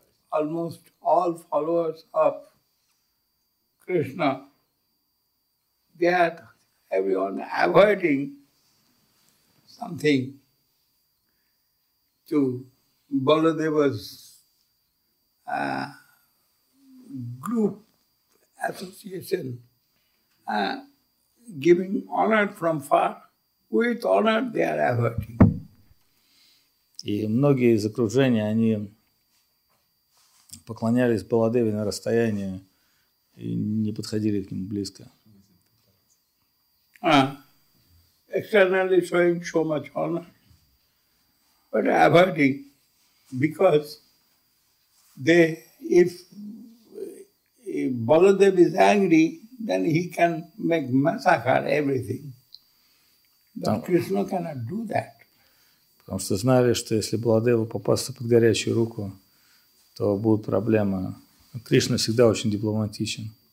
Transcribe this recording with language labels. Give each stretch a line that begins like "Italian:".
English: Almost all followers of Krishna, they are everyone avoiding something to Baladeva's group association, giving honor from far. with honor they are averting.
Russian: И многие из окружения, они поклонялись Баладеве на расстоянии и не подходили к нему близко.
English: Externally showing so much honor, but averting, because they, if Baladev is angry, then he can make massacre everything. But Krishna cannot do that.
Russian: Потому что знали, что если Баладеву попасться под горячую руку, то будут проблемы. Кришна всегда очень дипломатичен.